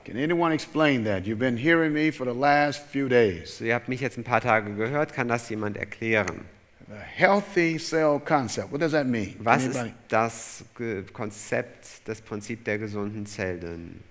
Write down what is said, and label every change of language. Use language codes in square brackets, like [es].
[en] Can anyone explain that? You've been hearing me for the last few days. [de] Ihr habt mich jetzt ein paar Tage gehört. Kann das jemand erklären? [en] The healthy cell concept. What does that mean? [de] Was ist das Konzept, das Prinzip der gesunden Zellen?